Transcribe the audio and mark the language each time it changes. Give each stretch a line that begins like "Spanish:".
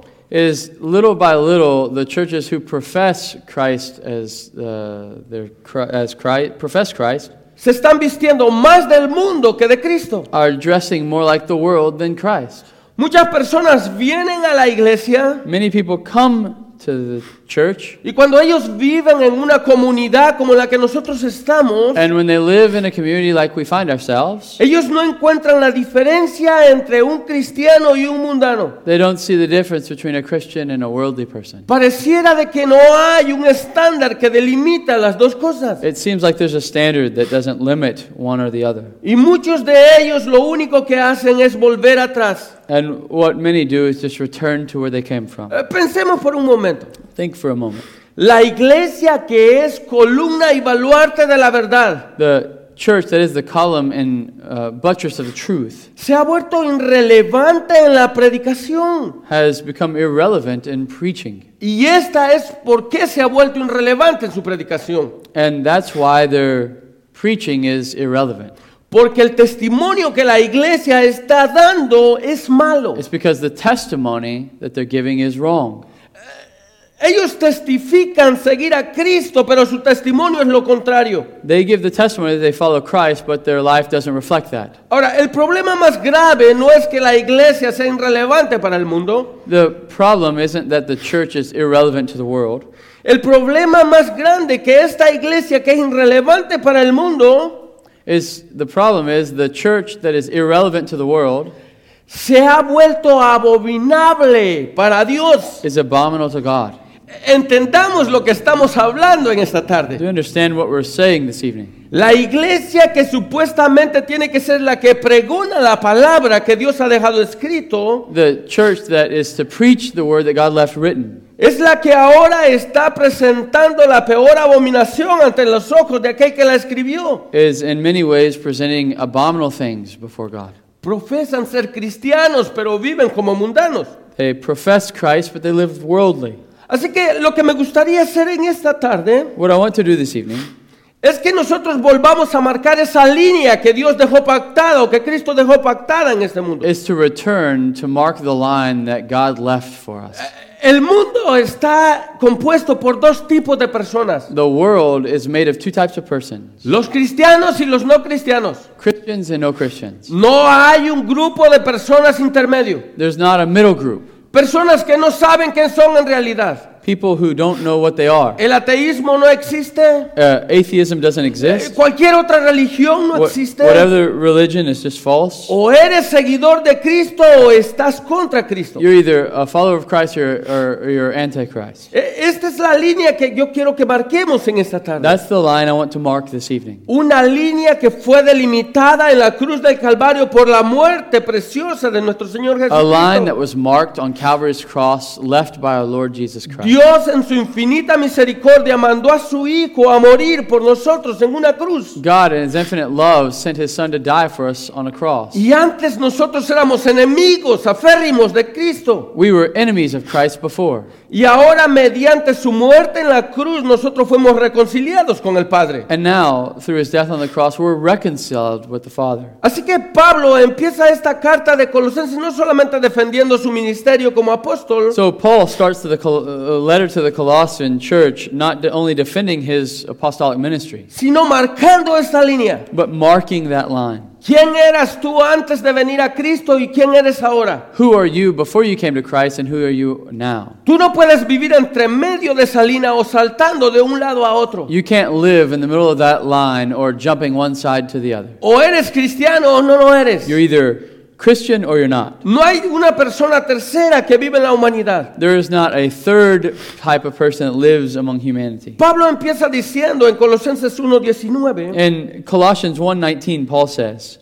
English: is little by little the churches who profess Christ as their as Christ profess Christ
Spanish: se están vistiendo más del mundo que de Cristo.
English: Are dressing more like the world than Christ.
Spanish: Muchas personas vienen a la iglesia.
English: Many people come to the church.
Spanish: Y cuando ellos viven en una comunidad como la que nosotros estamos,
English: and when they live in a community like we find ourselves,
Spanish: ellos no encuentran la diferencia entre un cristiano y un mundano.
English: They don't see the difference between a Christian and a worldly person.
Spanish: Pareciera de que no hay un estándar que delimita las dos cosas.
English: It seems like there's a standard that doesn't limit one or the other.
Spanish: Y muchos de ellos lo único que hacen es volver atrás.
English: And what many do is just return to where they came from.
Spanish: Pensemos por un momento.
English: Think for a moment.
Spanish: La iglesia que es columna y baluarte de la verdad.
English: The church that is the column and buttress of the truth.
Spanish: Se ha vuelto irrelevante en la predicación.
English: Has become irrelevant in preaching.
Spanish: Y esta es por qué se ha vuelto irrelevante en su predicación.
English: And that's why their preaching is irrelevant.
Spanish: Porque el testimonio que la iglesia está dando es malo.
English: It's because the testimony that they're giving is wrong.
Spanish: Ellos testifican seguir a Cristo, pero su testimonio es lo contrario.
English: They give the testimony that they follow Christ, but their life doesn't reflect that.
Spanish: Ahora, el problema más grave no es que la iglesia sea irrelevante para el mundo.
English: The problem isn't that the church is irrelevant to the world.
Spanish: El problema más grande que esta iglesia que es irrelevante para el mundo
English: is the problem is the church that is irrelevant to the world
Spanish: se ha vuelto abominable para Dios.
English: Is abominable to God.
Spanish: Entendamos lo que estamos hablando en esta tarde.
English: Do you understand what we're saying this evening?
Spanish: La iglesia que supuestamente tiene que ser la que pregona la palabra que Dios ha dejado escrito,
English: the church that is to preach the word that God left written,
Spanish: es la que ahora está presentando la peor abominación ante los ojos de aquel que la escribió.
English: Is in many ways presenting abominable things before God.
Spanish: Profesan ser cristianos, pero viven como mundanos.
English: They profess Christ, but they live worldly.
Spanish: Así que lo que me gustaría hacer en esta tarde,
English: what I want to do this evening,
Spanish: es que nosotros volvamos a marcar esa línea que Dios dejó pactada o que Cristo dejó pactada en este mundo.
English: Is to return to mark the line that God left for us.
Spanish: El mundo está compuesto por dos tipos de personas.
English: The world is made of two types of persons.
Spanish: Los cristianos y los no cristianos.
English: Christians and no Christians.
Spanish: No hay un grupo de personas intermedio.
English: There's not a middle group.
Spanish: Personas que no saben quién son en realidad.
English: People who don't know what they are.
Spanish: El ateísmo no existe.
English: Atheism doesn't exist.
Spanish: Cualquier otra religión no existe.
English: Whatever religion is just false.
Spanish: O eres seguidor de Cristo o estás contra Cristo.
English: You're either a follower of Christ or you're antichrist.
Spanish: Esta es la línea que yo quiero que marquemos en esta tarde.
English: That's the line I want to mark this evening.
Spanish: Una línea que fue delimitada en la cruz del Calvario por la muerte preciosa de nuestro Señor Jesucristo.
English: A line that was marked on Calvary's cross left by our Lord Jesus Christ.
Spanish: Dios en su infinita misericordia mandó a su hijo a morir por nosotros en una cruz.
English: God in his infinite love sent his son to die for us on a cross.
Spanish: Y antes nosotros éramos enemigos aférrimos de Cristo.
English: We were enemies of Christ before.
Spanish: Y ahora mediante su muerte en la cruz nosotros fuimos reconciliados con el Padre.
English: And now through his death on the cross we're reconciled with the Father.
Spanish: Así que Pablo empieza esta carta de Colosenses no solamente defendiendo su ministerio como apóstol.
English: So Paul starts to the a letter to the Colossian church, not only defending his apostolic ministry,
Spanish: sino marcando esta línea,
English: but marking that line.
Spanish: ¿Quién eras tú antes de venir a Cristo y quién eres ahora?
English: Who are you before you came to Christ and who are you now?
Spanish: Tú no puedes vivir entre medio de esa línea o saltando de un lado a otro.
English: You can't live in the middle of that line or jumping one side to the other.
Spanish: O eres cristiano o no lo eres.
English: You're either Christian or you're not.
Spanish: No hay una persona tercera que vive en la humanidad.
English: There is not a third type of person that lives among humanity.
Spanish: Pablo empieza diciendo en Colosenses 1:19.
English: In Colossians 1:19, Paul says.